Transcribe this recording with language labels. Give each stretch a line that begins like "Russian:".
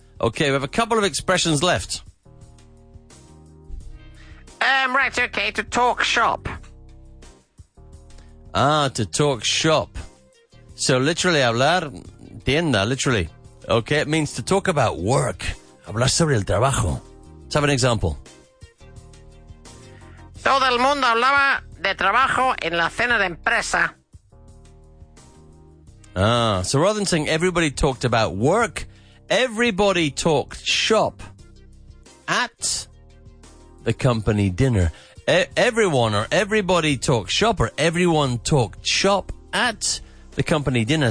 English: Okay, we have a couple of expressions left. Right, okay. To talk shop. Ah, to talk shop. So literally
Spanish: hablar, tienda,
English: literally. Okay, it means to talk about work.
Spanish: Hablar sobre el trabajo.
English: Let's have an example.
Spanish: Todo el mundo hablaba de trabajo en la cena de empresa.
English: Ah, so rather than saying everybody talked about work, everybody talked shop at the company dinner. Everyone or everybody talked shop or everyone talked shop at the company dinner.